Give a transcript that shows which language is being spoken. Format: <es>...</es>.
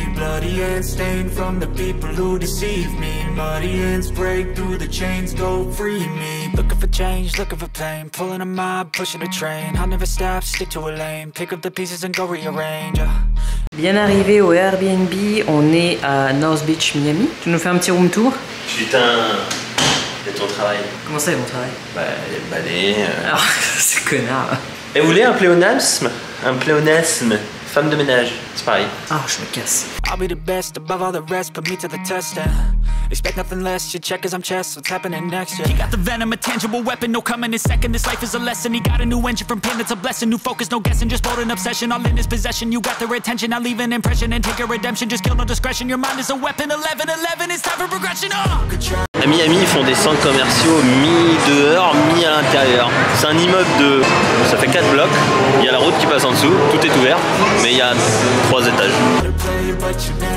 <en>Bloody hands stained from the people who deceive me. Muddy hands break through the chains, go free me. Looking for change, looking for pain. Pulling a mob, pushing a train. I'll never stop, stick to a lane. Pick up the pieces and go rearrange, yeah.</en> <fr>Bien arrivé au Airbnb, on est à North Beach, Miami. Tu nous fais un petit room tour? Putain, c'est ton travail. Comment ça, c'est mon travail? Bah, les balais. C'est connard. Et vous voulez un pléonasme? Un pléonasme? Femme de ménage, c'est pareil. Ah, je me casse.</fr> <en>I'll be the best above all the rest, put me to the test. Expect nothing less, you check as I'm chest, what's happening next, yeah. He got the venom, a tangible weapon, no coming in second, this life is a lesson. He got a new engine from pain, that's a blessing. New focus, no guessing, just bold and obsession. All in his possession, you got the retention. I'll leave an impression and take a redemption. Just kill no discretion, your mind is a weapon. 11-11, it's time for progression, oh!</en> <fr>À Miami, ils font des centres commerciaux mi-dehors, mi-à l'intérieur. C'est un immeuble de... ça fait 4 blocs. Il y a la route qui passe en dessous, tout est ouvert. Mais il y a 3 étages.</fr>